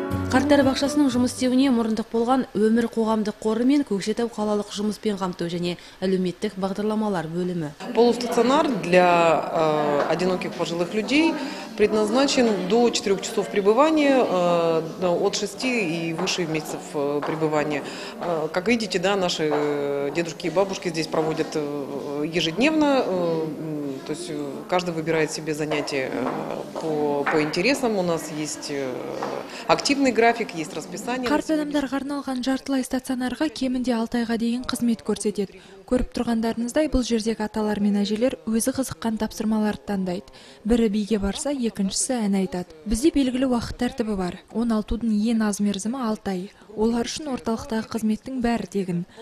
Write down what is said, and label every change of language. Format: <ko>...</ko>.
<kk>балдар бақшасының жұмыс істеуіне мұрындық болған өмір қоғамдық қоры мен Көкшетау қалалық жұмыспен қамту және әлеуметтік бағдарламалар бөлімі. Бұл</kk> <ru>стационар для одиноких пожилых людей предназначен до 4 часов пребывания, от 6 и выше месяцев пребывания. Как видите, да, наши дедушки и бабушки здесь проводят ежедневно. То есть каждый выбирает себе занятия по интересам. У нас есть активный график, есть расписание.</ru> <kk>Қарт адамдарға арналған жартылай стационарға кемінде 6 айға дейін қызмет көрсетеді. Көріп тұрғандарыңыздай, бұл жердегі аталар мен әжелер өзі қызыққан тапсырмаларды таңдайды. Бірі биге барса, екіншісі ән айтады. Бізде белгілі уақыт тәртібі бар. 16-дың ең аз мерзімі 6 ай. Олар үшін орталықтағы қызметтің бәрі тегін.</kk>